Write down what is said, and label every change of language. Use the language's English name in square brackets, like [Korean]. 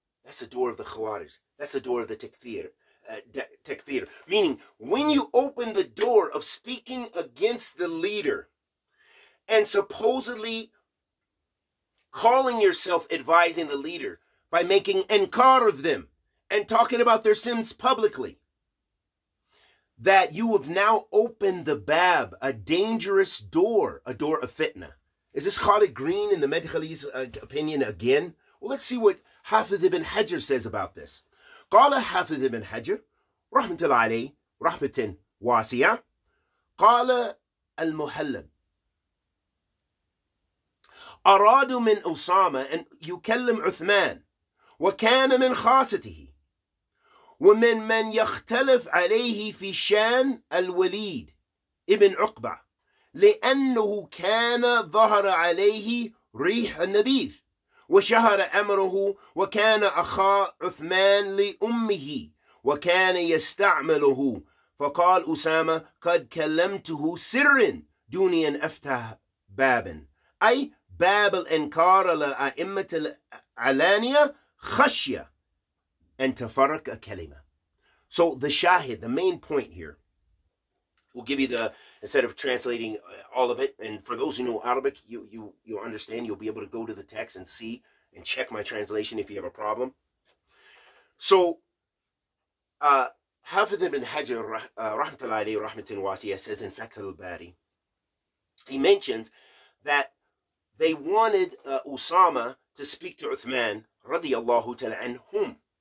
[English] That's the door of the khawaris. That's the door of the takfir. Takfir, meaning when you open the door of speaking against the leader and supposedly calling yourself advising the leader by making inkar of them and talking about their sins publicly, that you have now opened the bab, a dangerous door, a door of fitna. Is this Khalid Green in the Madkhali's opinion again? Well, let's see what Hafiz ibn Hajar says about this. [Arabic] قال حافظ ابن حجر رحمة الله عليه رحمة واسعة قال المهلب أراد من أسامة أن يكلم عثمان وكان من خاصته ومن من يختلف عليه في شان الوليد ابن عقبة لأنه كان ظهر عليه ريح النبيذ وشهر أمره وكان أخا عثمان لأمه وكان يستعمله فقال أسامة قد كلمته سرا دون أن أفتح بابا أي باب الإنكار لأئمة العلانية خشية أن تفرق كلمة. [English] So the shahid, the main point here, we'll give you the, instead of translating all of it, and for those who know Arabic, you understand, you'll be able to go to the text and see and check my translation if you have a problem. So, Hafiz ibn Hajar, rahmatullahi alayhi rahmatin wasiya, says in Fath al-Bari, he mentions that they wanted Usama to speak to Uthman, radiyallahu ta'ala anhum.